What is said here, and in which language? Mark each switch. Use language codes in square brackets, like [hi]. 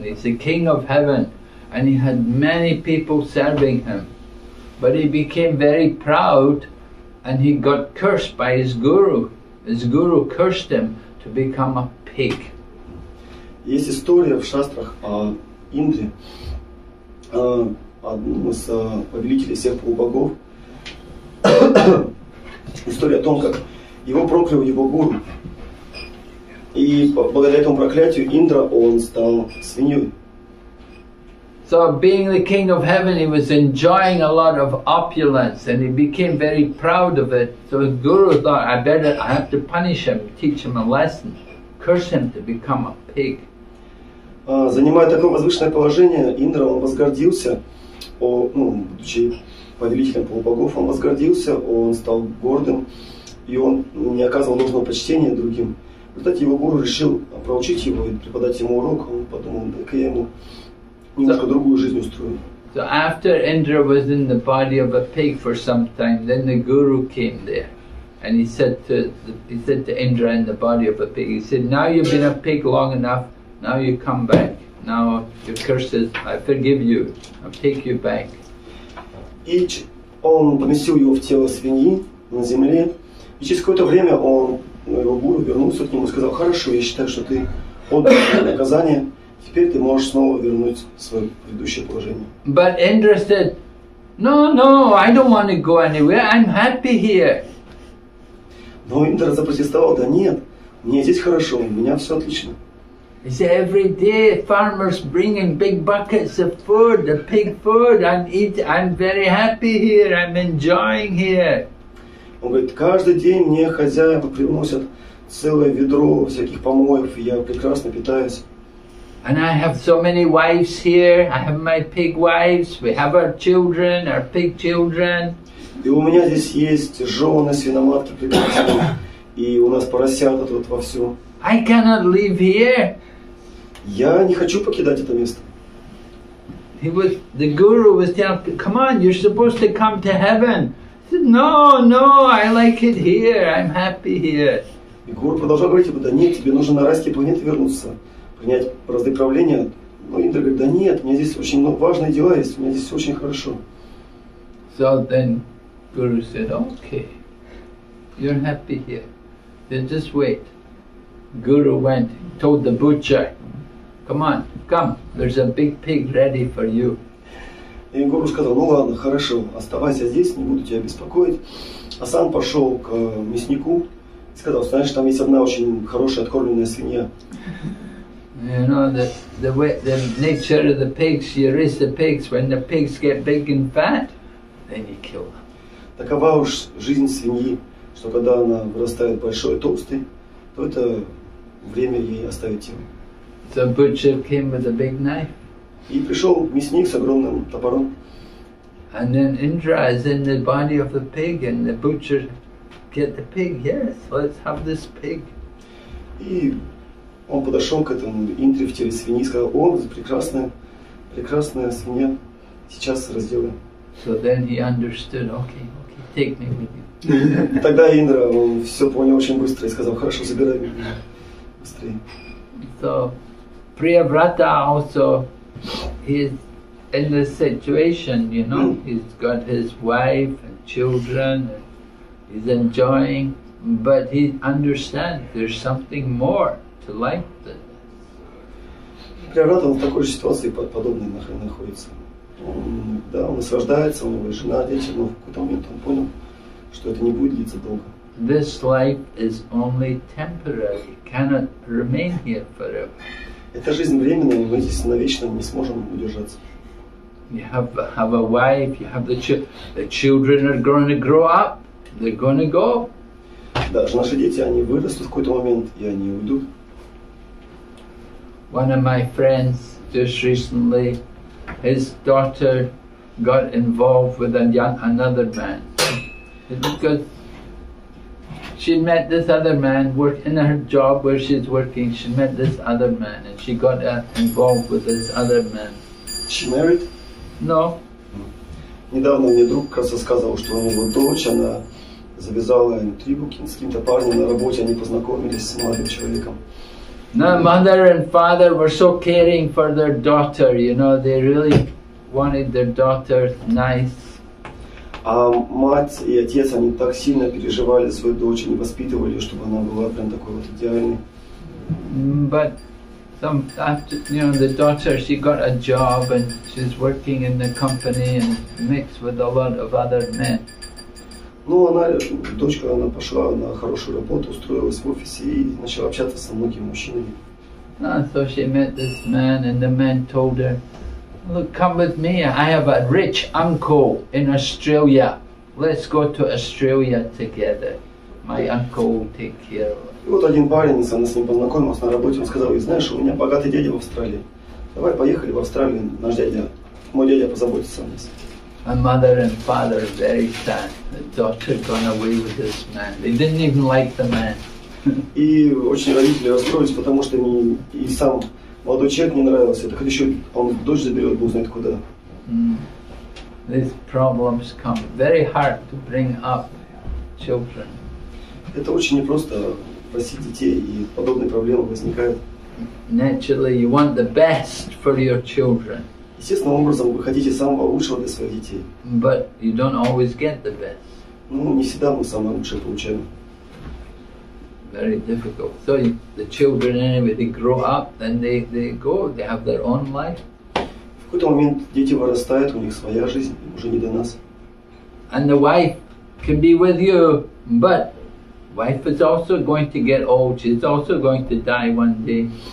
[en] He's the king of heaven, and he had many people serving him. But he became very proud, and he got cursed by his guru. His guru cursed him to become a pig. [ru] Есть история в шастрах о Индре, одном из повелителей всех полубогов. История о том, как его проклял его гуру. И благодаря этому проклятию Индра, он стал свиньей. [en] So being the king of heaven, he was enjoying a lot of opulence and he became very proud of it. So his guru thought, I have to punish him, teach him a lesson, curse him to become a pig. [ru] Занимая такое возвышенное положение, Индра, он возгордился, будучи повелителем полубогов, он возгордился, он стал гордым, и он не оказывал нужного почтения другим. В результате его гуру решил проучить его и преподать ему урок, он подумал, дай-ка я ему немножко другую жизнь устрою. [en] So after Indra was in the body of a pig for some time, then the guru came there. And he said to Indra in the body of a pig, he said, now you've been a pig long enough, now you come back. Now your curses, I forgive you, I'll take you back. [ru] И он поместил его в тело свиньи на земле, и через какое-то время его гуру вернулся к нему и сказал, хорошо, я считаю, что ты отдал свое наказание, теперь ты можешь снова вернуть свое предыдущее положение. [en] But Indra said, no, I don't want to go anywhere, I'm happy here. [ru] Но Индра запротестовал, да нет, мне здесь хорошо, у меня все отлично. [en] He said, every day farmers bringing big buckets of food, the pig food, I'm very happy here, I'm enjoying here. [ru] Он говорит, каждый день мне хозяева приносят целое ведро всяких помоев, и я прекрасно питаюсь. [en] And I have so many wives here, I have my pig wives, we have our children, our pig children. [ru] И у меня здесь есть жены, свиноматки прекрасные, и у нас поросята тут вовсю. [en] I cannot live here. [ru] Я не хочу покидать это место. [en] The guru was telling, come on, you're supposed to come to heaven. He said, no, I like it here, I'm happy here. [ru] И гуру продолжал говорить ему, да нет, тебе нужно на райские планеты вернуться, принять разные правления. Но Индра говорит, да нет, у меня здесь очень важные дела есть, у меня здесь очень хорошо. [en] So then guru said, okay, you're happy here, then just wait. Guru went, told the butcher, come, there's a big pig ready for you. [ru] И гуру сказал, ну ладно, хорошо, оставайся здесь, не буду тебя беспокоить. А сам пошел к мяснику и сказал, знаешь, там есть одна очень хорошая откормленная свинья. [en] You know, the nature of the pigs, you raise the pigs, when the pigs get big and fat, then you kill them. [ru] Такова уж жизнь свиньи, что когда она вырастает большой и толстой, то это время ей оставить его. [en] So butcher came with a big knife. [ru] И пришел мясник с огромным топором. [en] And then Indra is in the body of the pig, and the butcher get the pig. Yes, let's have this pig. [ru] И он подошел к этому Индре в теле свиньи и сказал: "О, прекрасная свинья, сейчас разделаем." [en] So then he understood. Okay, take me with you. [ru] Тогда Индра все понял очень быстро и сказал: "Хорошо, забирай меня быстрее." [en] So Priyavrata also, he's in this situation, you know, he's got his wife and children, and he's enjoying, but he understands there's something more to life than this. [ru] Преврат, он в такой же ситуации под подобной находится. Да, он наслаждается, у него жена, дети, но в какой-то момент он понял, что это не будет длиться долго. [en] This life is only temporary, cannot remain here forever. [ru] Эта жизнь временная, мы здесь навечно не сможем удержаться. [en] You have a wife, you have the children are going to grow up, they're going to go. [ru] Да, наши дети, они вырастут в какой-то момент, и они уйдут. [en] One of my friends just recently, his daughter got involved with another man. She met this other man in her job where she's working. She met this other man and she got involved with this other man. She married? No. [ru] Недавно мне друг как-то сказал, что у него дочь, она завязала интригу с каким-то парнем на работе, они познакомились с молодым человеком. [en] No, mother and father were so caring for their daughter, you know, they really wanted their daughter nice. [ru] А мать и отец, они так сильно переживали свою дочь, они воспитывали, чтобы она была прям такой вот идеальной. [en] But some after, you know, the daughter, she got a job and she's working in the company and mixed with a lot of other men. [ru] Ну, дочка пошла на хорошую работу, устроилась в офисе и начала общаться со многими мужчинами. [en] So she met this man and the man told her, look, come with me, I have a rich uncle in Australia. Let's go to Australia together. My uncle will take care of us. [ru] И вот один парень, она с ним познакомилась на работе, он сказал ей, знаешь, у меня богатый дядя в Австралии. Давай поехали в Австралию, мой дядя позаботится о нас. [en] My mother and father are very sad. The daughter gone away with this man. They didn't even like the man. [ru] И очень родители расстроились, потому что и сам молодой человек не нравился. Так еще он дочь заберет, бог знает куда. [en] These problems come. Very hard to bring up children. [ru] Это очень непросто растить детей, и подобные проблемы возникают. [en] Naturally, you want the best for your children. [ru] Естественным образом, вы хотите самого лучшего для своих детей. [en] But you don't always get the best. [ru] Ну, не всегда мы самое лучшее получаем. [en] Very difficult. So the children, anyway, they grow up, then they go, they have their own life. [ru] В какой-то момент дети вырастают, у них своя жизнь, уже не до нас. [en] And the wife can be with you, but wife is also going to get old, she's also going to die one day.